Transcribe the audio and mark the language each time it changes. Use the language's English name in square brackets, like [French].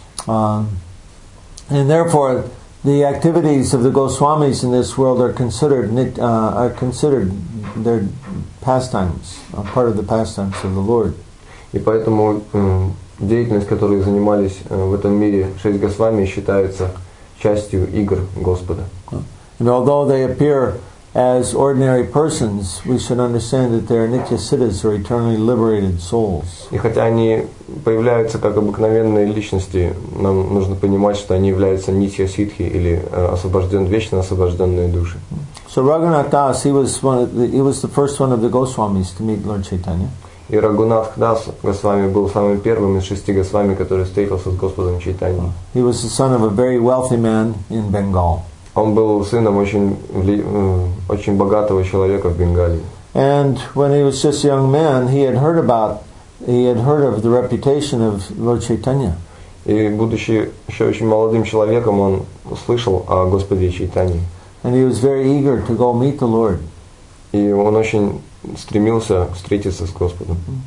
[English] And therefore, the activities of the Goswamis in this world are considered their pastimes, a part of the pastimes of the Lord. [Russian] И поэтому деятельность, которой занимались в этом мире шесть Госвами, считается частью игр Господа. [English] And although they appear as ordinary persons, we should understand that they are nitya siddhas, or eternally liberated souls. [Russian] И хотя они появляются как обыкновенные личности, нам нужно понимать, что они являются нитья сиддхи, или вечно освобожденные души. [English] So Raghunath Das, he was the first one of the Goswamis to meet Lord Chaitanya. [Russian] И Рагунатх Дас Госвами был самым первым из шести Госвами, который встретился с Господом Чайтаньей. [English] He was the son of a very wealthy man in Bengal. [Russian] Он был сыном очень богатого человека в Бенгалии. [English] And when he was just a young man, he had heard of the reputation of Lord Chaitanya. [Russian] И будучи еще очень молодым человеком, он слышал о Господе Чайтанье. [English] And he was very eager to go meet the Lord. [Russian] И он очень стремился встретиться с Господом.